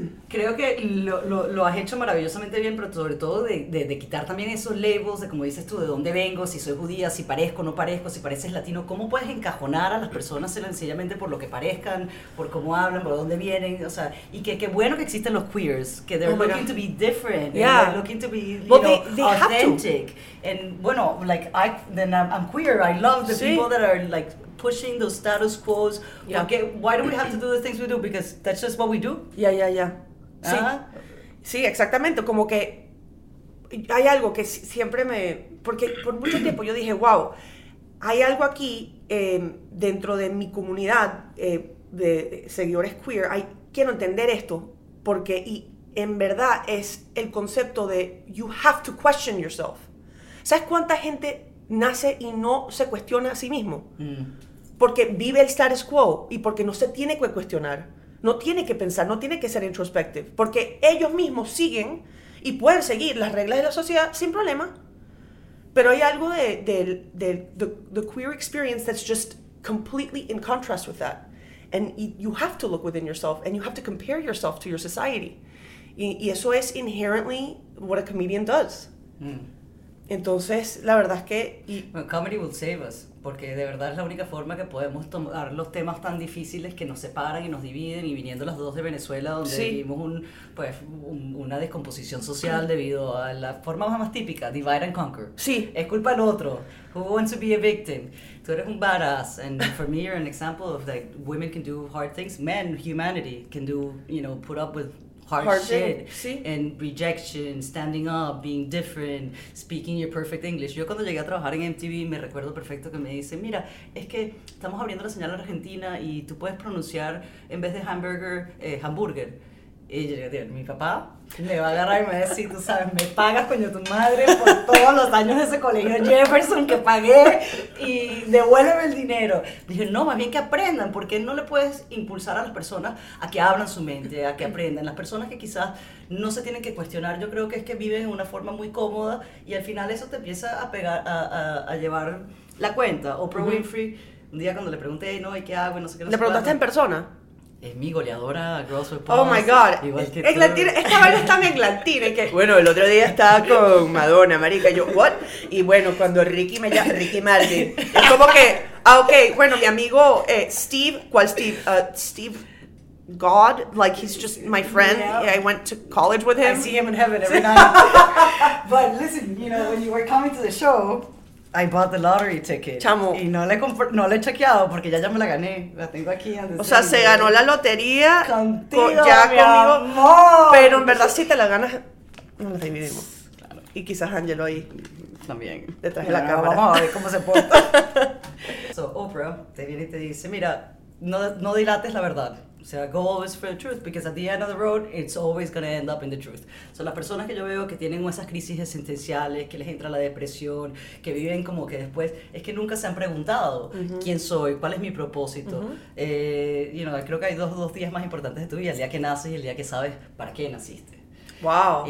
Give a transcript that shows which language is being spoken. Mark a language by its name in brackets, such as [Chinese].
[Spanish] Creo que lo has hecho maravillosamente bien, pero sobre todo de quitar también esos labels de, como dices tú, de dónde vengo, si soy judía, si parezco, no parezco, si pareces latino. ¿Cómo puedes encajonar a las personas sencillamente por lo que parezcan, por cómo hablan, por dónde vienen? O sea, y que qué bueno que existen los queers, que [English] they're looking to be different, yeah. They're looking to be, you know, authentic. And, bueno, like, I'm queer, I love the people that are, like, pushing those status quo. Yeah. Okay, why do we have to do the things we do? Because that's just what we do. [Spanish] Yeah. Sí. Uh-huh. Sí, exactamente. Como que hay algo que siempre me... Porque por mucho tiempo yo dije, wow, hay algo aquí dentro de mi comunidad de seguidores queer. Quiero entender esto. Porque y en verdad es el concepto de [English] you have to question yourself. [Spanish] ¿Sabes cuánta gente nace y no se cuestiona a sí mismo? Porque vive el status quo y porque no se tiene que cuestionar. No tiene que pensar, no tiene que ser introspective. Porque ellos mismos siguen y pueden seguir las reglas de la sociedad sin problema. Pero hay algo de [English] the queer experience that's just completely in contrast with that. And you have to look within yourself and you have to compare yourself to your society. [Spanish] Y eso es [English] inherently what a comedian does. [Spanish] Entonces, la verdad es que... [English] Well, comedy will save us. [Spanish] Porque de verdad es la única forma que podemos tomar los temas tan difíciles que nos separan y nos dividen, y viniendo las dos de Venezuela, donde vivimos una descomposición social debido a la forma más típica, [English] divide and conquer. [Spanish] Sí. Es culpa del otro. [English] Who wants to be a victim? [Spanish] Tú eres un [English] badass, and for me you're an example of that, like, women can do hard things, men, humanity, can do, you know, put up with hard shit, and rejection, standing up, being different, speaking your perfect English. [Spanish] Yo cuando llegué a trabajar en MTV, me recuerdo perfecto que me dicen, mira, es que estamos abriendo la señal en Argentina y tú puedes pronunciar, en vez de hamburger, hamburger. Y yo digo, tío, mi papá me va a agarrar y me va a decir, tú sabes, me pagas, coño, tu madre, por todos los años de ese colegio Jefferson que pagué, y devuélveme el dinero. Dije, no, más bien que aprendan, porque no le puedes impulsar a las personas a que abran su mente, a que aprendan. Las personas que quizás no se tienen que cuestionar, yo creo que es que viven en una forma muy cómoda, y al final eso te empieza a pegar, a llevar la cuenta. Oprah Winfrey, un día cuando le pregunté, no, ¿y qué hago? Y no sé qué. ¿Le preguntaste en persona? Es mi goleadora, Girls with Pumps. [English] Oh my God. [Spanish] Eglantina, esta vaina está en Eglantina. Bueno, el otro día estaba con Madonna, marica. Yo, ¿what? Y bueno, cuando Ricky me llama, Ricky Martin. Es como que, ah, ok, bueno, mi amigo Steve, ¿cuál Steve? [English] Steve God, like he's just my friend. Yeah. I went to college with him. I see him in heaven every night. But listen, you know, when you were coming to the show, I bought the lottery ticket. [Spanish] Chamo. Y no le he chequeado porque ya me la gané. La tengo aquí. O sea, se ganó la lotería. Contigo, ya mi conmigo. Amor. Pero en verdad, si te la ganas, no la dividimos. Claro. Y quizás Angelo ahí también. Detrás de la cámara. Vamos a ver cómo se porta. So, Oprah te viene y te dice: mira, no dilates la verdad. O sea, [English] go always for the truth, because at the end of the road, it's always going to end up in the truth. [Spanish] So las personas que yo veo que tienen esas crisis existenciales, que les entra la depresión, que viven como que después, es que nunca se han preguntado quién soy, cuál es mi propósito. [English] You know, [Spanish] creo que hay dos días más importantes de tu vida, el día que naces y el día que sabes para qué naciste. [English] Wow.